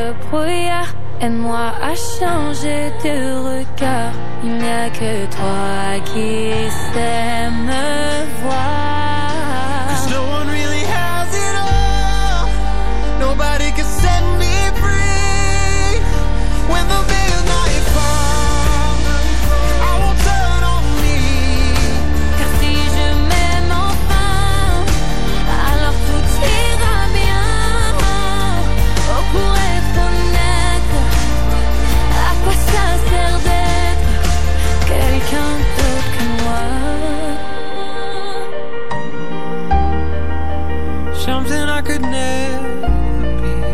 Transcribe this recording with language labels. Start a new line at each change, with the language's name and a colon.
French: brouillard. Aide-moi à changer de regard. Il n'y a que toi qui sais me voir.
English: 'Cause no one really has it all. Nobody can set me free. When the veil of night falls, I won't turn on me.
French: Car si je m'aime enfin, alors tout ira bien. Oh, pour être honnête, à quoi ça sert d'être quelqu'un d'autre que moi?
English: Something I could never.